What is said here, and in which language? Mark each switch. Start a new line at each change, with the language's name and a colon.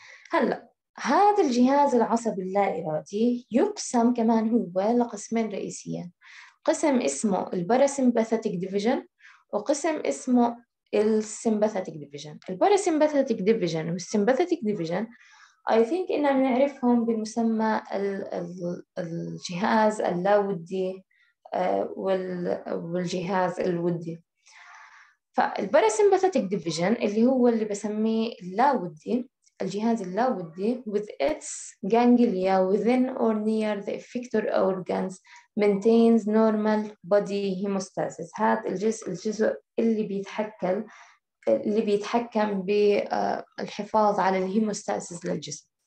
Arabic: هلا هذا الجهاز العصبي اللا إرادي يقسم كمان هو لقسمين رئيسيين، قسم اسمه الباراسيمباثيتك ديفيجن وقسم اسمه السيمباثيتك ديفيجن. الباراسيمباثيتك ديفيجن والسيمباثيتك ديفيجن
English: I think
Arabic: إننا بنعرفهم بمسمى الجهاز اللاودي والجهاز الودي. فالباراسيمباثيتك ديفيجن اللي هو اللي بسميه اللاودي، الجهاز اللاودي
English: with its ganglia within or near the effector organs maintains normal body hemostasis.
Arabic: هذا الجزء اللي بيتحكم بالحفاظ على الهيموستاسيس للجسم.